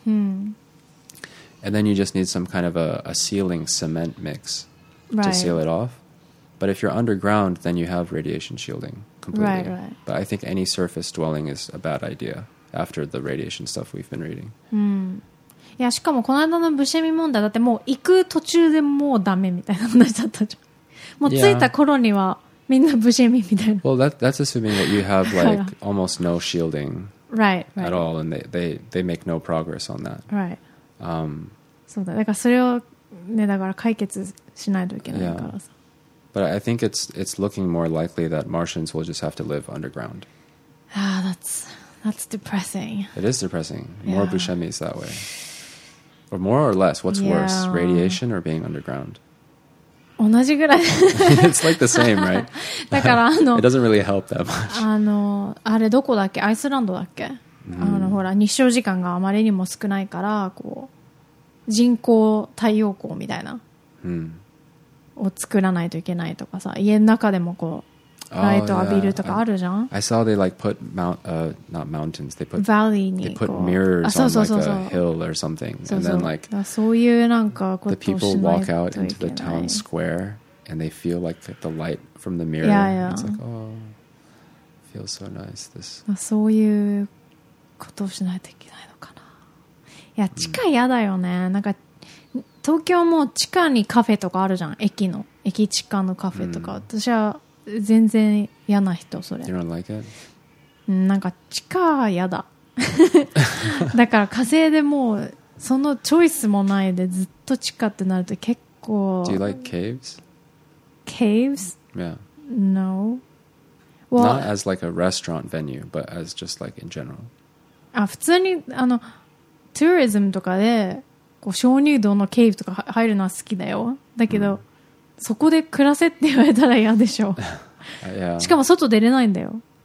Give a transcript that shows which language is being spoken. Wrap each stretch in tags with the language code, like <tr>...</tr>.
<en>And then you just need some kind of a sealing cement mix to seal it off. But if you're underground, then you have radiation shielding completely. Right, right. But I think any surface dwelling is a bad idea after the radiation stuff we've been reading.</en> <ja>いやしかもこの間のブシェミ問題だってもう行く途中でもうダメみたいな話だったじゃん。もう着いた頃にはみんなブシェミみたいな。</ja> <en>Well, that's assuming that you have like almost no shielding right. at all, and they make no progress on that. Right.、</en> <ja>そうだ。だからそれをねだから解決しないといけないからさ。</ja> <en>But I think it's looking more likely that Martians will just have to live underground. That's depressing. It is depressing. More、yeah. Bushemis that way. Or more or less, what's、yeah. worse, radiation or being underground?</en> <ja>同じぐらい。</ja> <en>It's like the same, right?</en> <ja>だからあの</ja> <en>It doesn't really help that much.</en> <ja>あのあれどこだっけ？アイスランドだっけ？あのほら日照時間があまりにも少ないからこう人工太陽光みたいな、を作らないといけないとかさ家の中でもこうライト浴びるとかあるじゃん。</ja> <en>I saw they like put mount, not mountains, they put</en> <ja>valley に</ja> <en>they put mirrors on like a hill or something,</en> <ja>そうそう</ja> <en>and then like</en> <ja>そういうなんかことをしないといけない。</ja> <en>The people walk out into the town square and they feel like the light from the mirror. Yeah, yeah. It's like oh, feels so nice. This</en> <ja>そういうことをしないといけないのかな。いや地下嫌だよね。なんか東京も地下にカフェとかあるじゃん。駅の駅地下のカフェとか、私は全然嫌な人それ。</ja> <en>You don't like it?</en> <ja>なんか地下嫌だ。だから火星でもうそのチョイスもないでずっと地下ってなると結構。</ja> <en>Do you like caves? Caves? Yeah. No. Well, not as like a restaurant venue, but as just like in general.</en> <ja>あ普通にあのツーリズムとかでこう鍾乳洞のケーブとか入るのは好きだよ。だけど。そこで暮らせって言われたら嫌でしょ。</ja> <en>yeah.</en> <ja>しかも外出れないんだよ。</ja>